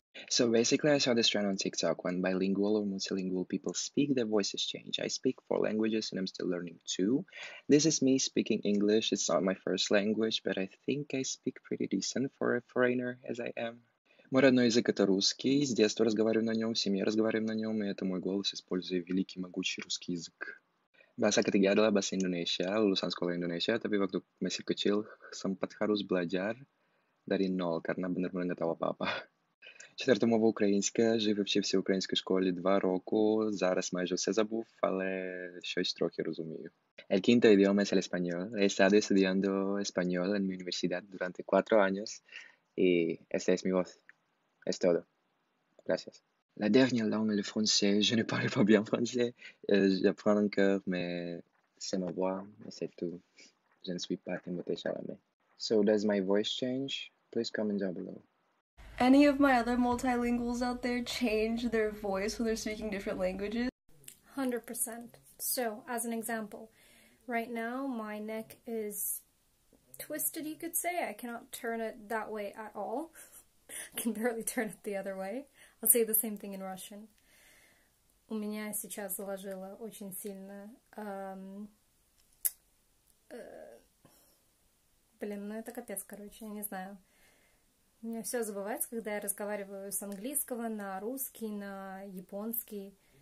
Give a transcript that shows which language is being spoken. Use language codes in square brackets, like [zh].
[en] So basically, I saw this trend on TikTok when bilingual or multilingual people speak, their voices change. I speak four languages and I'm still learning two. This is me speaking English. It's not my first language, but I think I speak pretty decent for a foreigner as I am. [ru] Мой родной язык — это русский. С детства разговариваю на нем, в семье разговариваю на нем, и это мой голос, используя великий, могучий русский язык. [id] Bahasa ketiga adalah bahasa Indonesia, lulusan sekolah Indonesia, tapi waktu masih kecil sempat harus belajar dari nol karena benar-benar nggak tahu apa-apa. [uk] Четвертая мова украинская, жив вообще в украинской школе два року, зараз майже все забув, але щось трохи розумію. [es] El quinto idioma es el español. He estado estudiando español en mi universidad durante 4 años y esta es mi voz. Es todo. Gracias. [fr] La dernière langue est le français. Je ne parle pas bien français. J'apprends encore, mais c'est ma voix, mais c'est tout. Je ne suis pas Timothée Chalamet. [en] So does my voice change? Please comment down below. Any of my other multilinguals out there change their voice when they're speaking different languages? 100%. So, as an example, right now my neck is twisted, you could say. I cannot turn it that way at all. I can barely turn it the other way. I'll say the same thing in Russian. [ru] У меня сейчас заложило очень сильно. Блин, ну это капец, короче, я не знаю. У меня все забывается, когда я разговариваю с английского на русский, на японский.